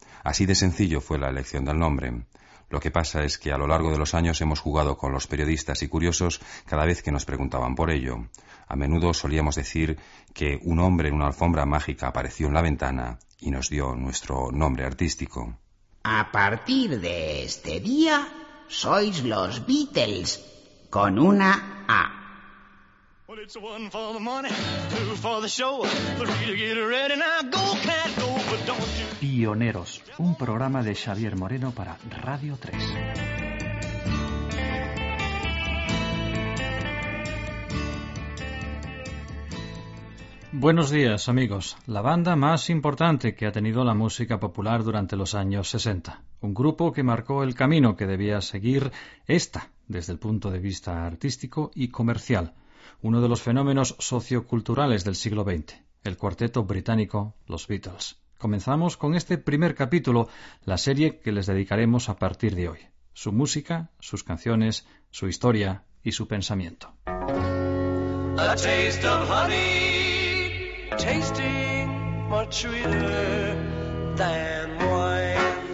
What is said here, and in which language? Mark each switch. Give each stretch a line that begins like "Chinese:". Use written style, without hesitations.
Spanish: Así de sencillo fue la elección del nombre. Lo que pasa es que a lo largo de los años hemos jugado con los periodistas y curiosos cada vez que nos preguntaban por ello. A menudo solíamos decir que un hombre en una alfombra mágica apareció en la ventana y nos dio nuestro nombre artístico. A partir de este día, sois los Beatles, con una A.
English: Well, it's one for the money, two for the show, three to get ready now, go cat, go, but don't you...
Spanish: Pioneros, un programa de Xavier Moreno para Radio 3. Buenos días, amigos. La banda más importante que ha tenido la música popular durante los años 60. Un grupo que marcó el camino que debía seguir esta, desde el punto de vista artístico y comercial. Uno de los fenómenos socioculturales del siglo XX, el cuarteto británico Los Beatles. Comenzamos con este primer capítulo, la serie que les dedicaremos a partir de hoy. Su música, sus canciones, su historia y su pensamiento.
English: A taste of honey, tasting much sweeter than wine.